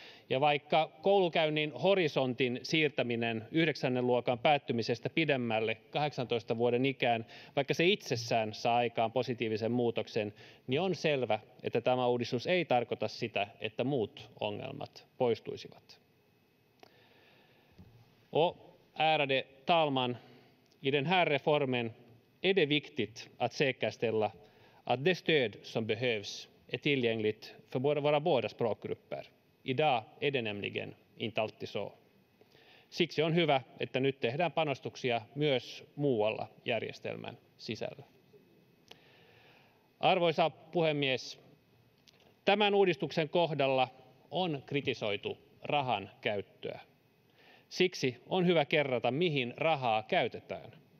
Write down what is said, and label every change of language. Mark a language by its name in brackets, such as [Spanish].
[Finnish] Ja vaikka koulukäynnin horisontin siirtäminen 9. luokan päättymisestä pidemmälle 18 vuoden ikään, vaikka se itsessään saa aikaan positiivisen muutoksen, niin on selvä, että tämä uudistus ei tarkoita sitä, että muut ongelmat poistuisivat. [Swedish] O, ärade talman, i den här reformen är det viktigt att säkerställa att det stöd som behövs är tillgängligt för våra båda språkgrupper. Idag är det nämligen inte alltid så. [Finnish] Siksi on hyvä, että nyt tehdään panostuksia myös muualla järjestelmän sisällä. Arvoisa puhemies, tämän uudistuksen kohdalla on kritisoitu rahan käyttöä. Siksi on hyvä kerrata, mihin rahaa käytetään.